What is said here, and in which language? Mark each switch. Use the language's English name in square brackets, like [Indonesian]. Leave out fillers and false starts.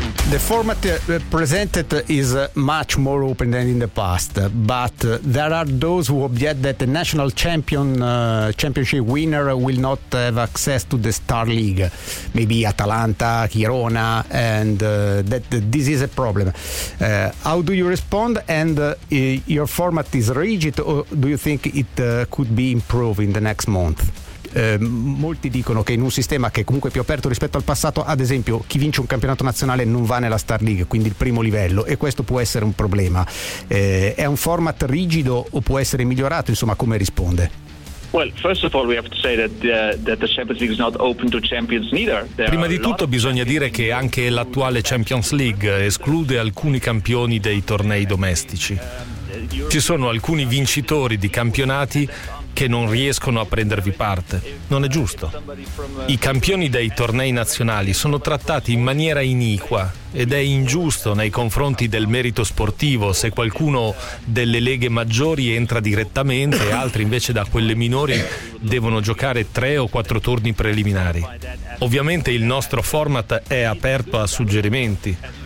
[English] The format presented is much more open than in the past, but there are those who object that the national championship winner will not have access to the Star League, maybe Atalanta, Girona, and that this is a problem. How do you respond? And your format is rigid, or do you think it could be improved in the next month? [Italian] Molti dicono che in un sistema che è comunque più aperto rispetto al passato, ad esempio, chi vince un campionato nazionale non va nella Star League, quindi il primo livello, e questo può essere un problema. È un format rigido o può essere migliorato? Insomma, come risponde? [English] Well, first of all, we have to say that that the Champions League is not open to champions neither. [Italian] Prima di tutto bisogna dire che anche l'attuale Champions League esclude alcuni campioni dei tornei domestici. Ci sono alcuni vincitori di campionati che non riescono a prendervi parte. Non è giusto. I campioni dei tornei nazionali sono trattati in maniera iniqua ed è ingiusto nei confronti del merito sportivo se qualcuno delle leghe maggiori entra direttamente e altri invece da quelle minori devono giocare 3 o 4 turni preliminari. Ovviamente il nostro format è aperto a suggerimenti.